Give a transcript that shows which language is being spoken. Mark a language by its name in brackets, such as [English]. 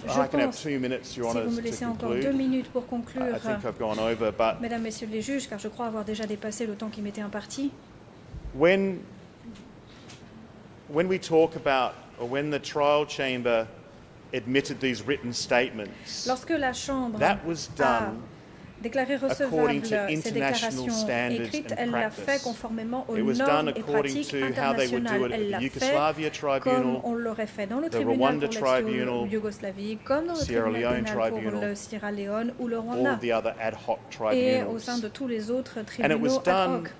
[French] Je pense, si vous me laissez encore 2 minutes pour conclure, mesdames, messieurs les juges, car je crois avoir déjà dépassé le temps qui m'était imparti, [English] when we talk about when the trial chamber admitted these written statements, [French] lorsque la chambre [English] that was done [French] a déclaré recevable ces déclarations écrites, elle l'a fait conformément aux normes et pratiques internationales. Elle l'a fait comme on l'aurait fait dans le tribunal pour l'Est Yougoslavie, comme dans le tribunal pour le Sierra Leone ou le Rwanda, et au sein de tous les autres tribunaux ad hoc.